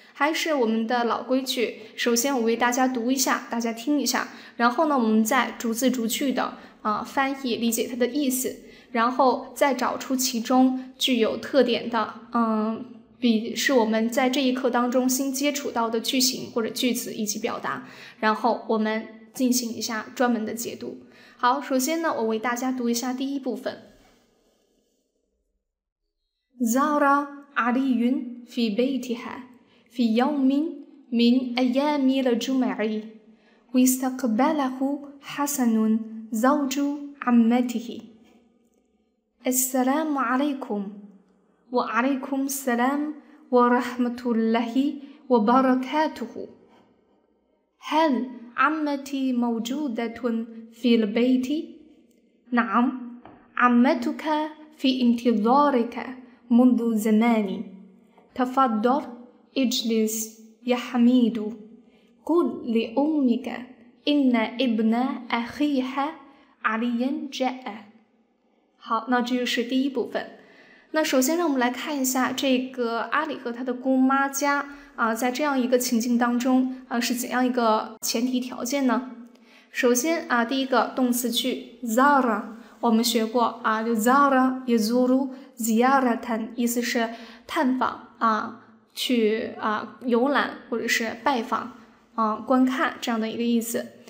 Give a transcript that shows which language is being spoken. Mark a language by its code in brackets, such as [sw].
[zh] 还是我们的老规矩，首先我为大家读一下，大家听一下，然后呢我们再逐字逐句的翻译理解它的意思，然后再找出其中具有特点的比是我们在这一课当中新接触到的句型或者句子以及表达，然后我们进行一下专门的解读。好，首先呢我为大家读一下第一部分。 [ar] زار علي في بيتها في يوم من أيام الجمعة واستقبله حسنزوج عمته السلام عليكم وعليكم السلام ورحمة الله وبركاته هل عمتي موجودة في البيت؟ نعم عمتك في انتظارك منذ زمان تفضل اجلس يا حميد قل لأمكإن ابن أخيها علي جاء。 [zh] 好，那这就是第一部分。那首先让我们来看一下这个阿里和他的姑妈家在这样一个情境当中是怎样一个前提条件呢？首先啊，第一个动词句 Zara， 我们学过啊，就 [ar] Zara yazuru ziyaratan， [zh] 意思是探访啊，去啊游览或者是拜访啊，观看这样的一个意思。